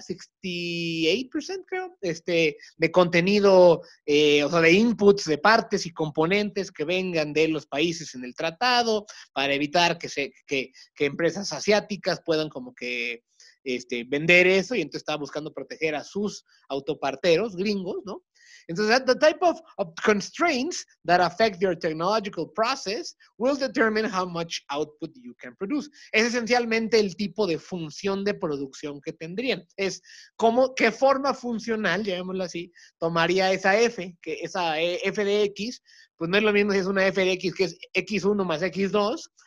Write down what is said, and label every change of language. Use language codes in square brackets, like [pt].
[es] 68%, creo, de contenido, o sea, de inputs, de partes y componentes que vengan de los países en el tratado para evitar que empresas asiáticas puedan como que vender eso, y entonces estaba buscando proteger a sus autoparteros gringos, ¿no? [en] Entonces, the type of constraints that affect your technological process will determine how much output you can produce. [es] Es esencialmente el tipo de función de producción que tendrían. Es cómo, qué forma funcional, llamémoslo así, tomaría esa F, que esa F de X, pues no es lo mismo si es una F de X que es X1 más X2.